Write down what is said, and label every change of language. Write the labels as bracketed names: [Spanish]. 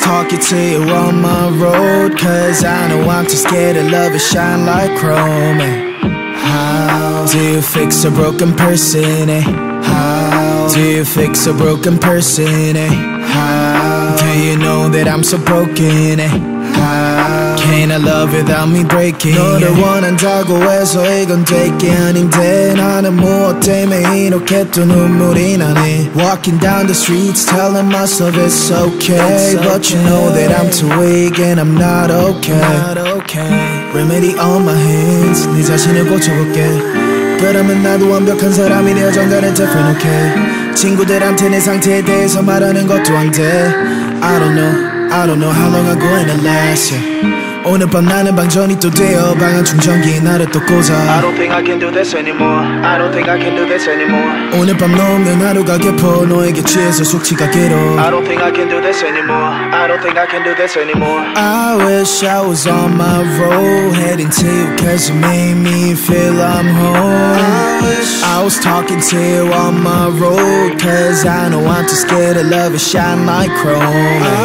[English] talking to you on my road, cause I know I'm too scared of love, it shine like chrome. How do you fix a broken person, eh? How do you fix a broken person, eh? You know that I'm so broken, eh? How can I love without me breaking? [Korean] 너를 원한다고 해서 이건 될게 아닌데 나는 무엇 때문에 이렇게 또 눈물이 나네. [English] Walking down the streets telling myself it's okay, it's but okay. You know that I'm too weak and I'm not okay. Not okay. Remedy on my hands, [Korean] 네 자신을 고쳐볼게. 그러면 나도 완벽한 사람이 되어 정단을 덮어 놓게. 친구들한테 내 상태에 대해서 말하는 것도 안 돼. [English] I don't know how long I'm gonna last, yeah. [Korean] 오늘 밤 나는 방전이 또 되어 방안 충전기 나를 또 꽂아 [English] I don't think I can do this anymore I don't think I can do this anymore [Korean] 오늘 밤 넘는 하루가 깊어 너에게 취해서 숙취가 길어 [English] I don't think I can do this anymore I don't think I can do this anymore I wish I was on my road heading to you cause you made me feel I'm home I was talking to you on my road cause I know I'm too scared of love and shine like chrome